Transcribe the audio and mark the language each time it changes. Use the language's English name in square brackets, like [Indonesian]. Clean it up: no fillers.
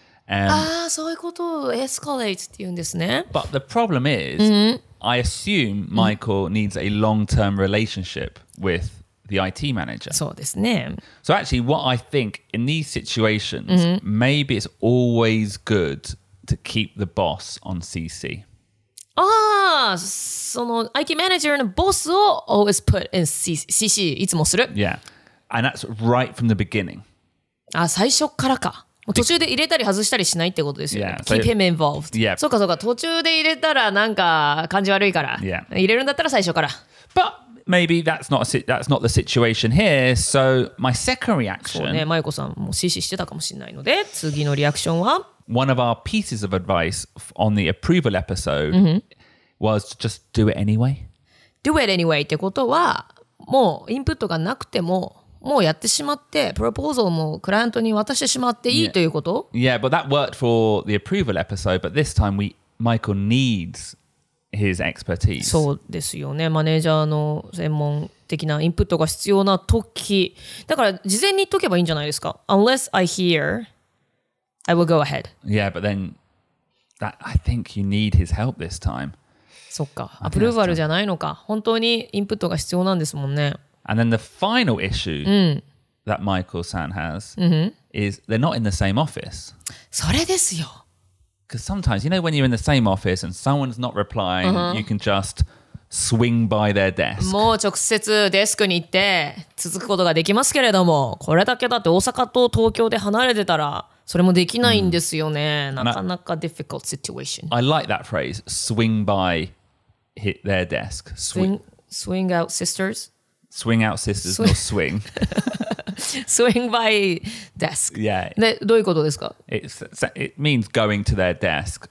[Japanese] ああ、そういうことをエスカレートって言うんですね。 [English] But the problem is,、mm-hmm. I assume Michael needs a long-term relationship with the IT manager. [Japanese] そうですね。 [English] So actually, what I think in these situations,、mm-hmm. maybe it's always good to keep the boss on CC. [Japanese] ああ、その IT manager のボスを [English] always put in CC、 [Japanese] いつもする。 [English] Yeah, and that's right from the beginning. [Japanese] あ、最初からか。途中で入れたり外したりしないってことですよね。 [English] Yeah, so, keep him involved. Yeah. [Japanese] そうかそうか、途中で入れたらなんか感じ悪いから。 [English] Yeah. [Japanese] 入れるんだったら最初から。 [English] But maybe that's not the situation here. So my second reaction... [Japanese] そうね、マユコさんも指示してたかもしれないので、次のリアクションは [English] One of our pieces of advice on the approval episode、mm-hmm. was to just do it anyway. Do it anyway [Japanese] ってことは、もうインプットがなくても、もうやってしまって、プロポーザルもクライアントに渡してしまっていい、yeah. ということ? [English] Yeah, but that worked for the approval episode, but this time Michael needs his expertise. [Japanese] そうですよね。マネージャーの専門的なインプットが必要な時。だから事前に言っとけばいいんじゃないですか? [English] Unless I hear, I will go ahead. Yeah, but then that, I think you need his help this time. [Japanese] そっか。アプルーバルじゃないのか。本当にインプットが必要なんですもんね。 [English] And then the final issue、うん、that Michael-san has、うん、is they're not in the same office. [Japanese] それですよ。 [English] Because sometimes, you know, when you're in the same office and someone's not replying,、uh-huh. you can just swing by their desk. [Japanese] もう直接デスクに行って続くことができますけれども、これだけだって大阪と東京で離れてたらそれもできないんですよね。うん、なかなか [English] difficult situation. I like that phrase, swing by hit their desk. Swing out sisters? Swing out sisters, not swing. Swing by desk. Yeah. [Japanese] どういうことですか? [English] It means going to their desk.